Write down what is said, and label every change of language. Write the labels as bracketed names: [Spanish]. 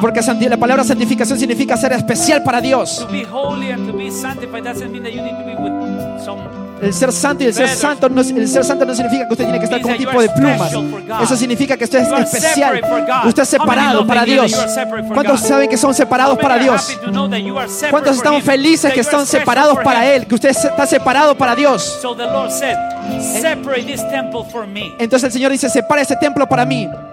[Spanish] Porque la palabra santificación significa ser especial para Dios. [English] To be holy and to be sanctified doesn't mean that you need to be with some. [Spanish] El ser santo y el ser santo no, el ser santo no significa que usted tiene que estar con un tipo de plumas. Eso significa que usted es especial. Usted es separado para Dios. ¿Cuántos saben que son separados para Dios? ¿Cuántos estamos felices que están separados para Él? Que usted está separado para Dios. Entonces el Señor dice: separa este templo para mí.